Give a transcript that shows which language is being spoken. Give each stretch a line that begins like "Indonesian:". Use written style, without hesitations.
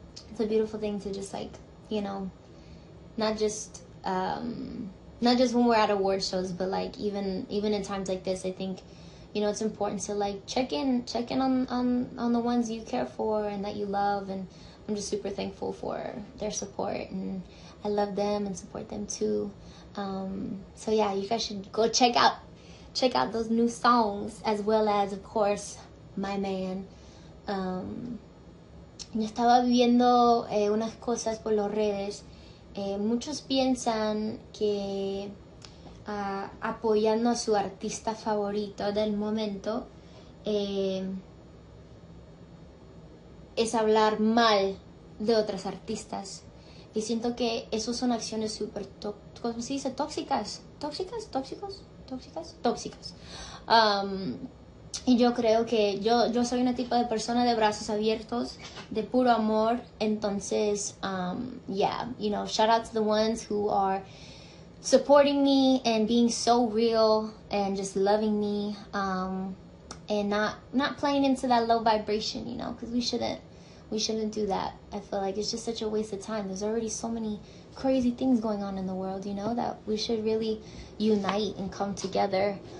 English: It's a beautiful thing to just, like, you know, not just when we're at award shows, but like even in times like this, I think, you know, it's important to like check in on the ones you care for and that you love, and I'm just super thankful for their support, and I love them and support them too. So yeah, you guys should go check out those new songs, as well as, of course, my man.
Spanish: Yo estaba viendo unas cosas por las redes. Muchos piensan que apoyando a su artista favorito del momento es hablar mal de otras artistas. Y siento que eso son acciones súper, ¿cómo se dice? Tóxicas. ¿Tóxicas? ¿Tóxicos? ¿Tóxicas? Tóxicas. Y yo creo que yo soy una tipo de persona de brazos abiertos, de puro amor.
English: Entonces, yeah, you know, shout out to the ones who are supporting me and being so real and just loving me, and not playing into that low vibration, you know, because we shouldn't do that. I feel like it's just such a waste of time. There's already so many crazy things going on in the world, you know, that we should really unite and come together.